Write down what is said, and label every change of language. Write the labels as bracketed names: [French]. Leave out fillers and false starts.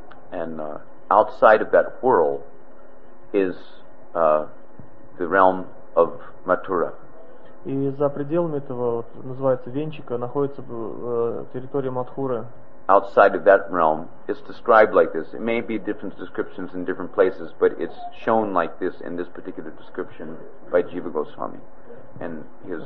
[English] And outside of that whirl is the realm of Mathura. [Russian] И за пределами этого вот, называется венчика находится территория Матхуры. [English] Outside of that realm, it's described like this. It may be different descriptions in different places, but it's shown like this in this particular description by Jiva Goswami and his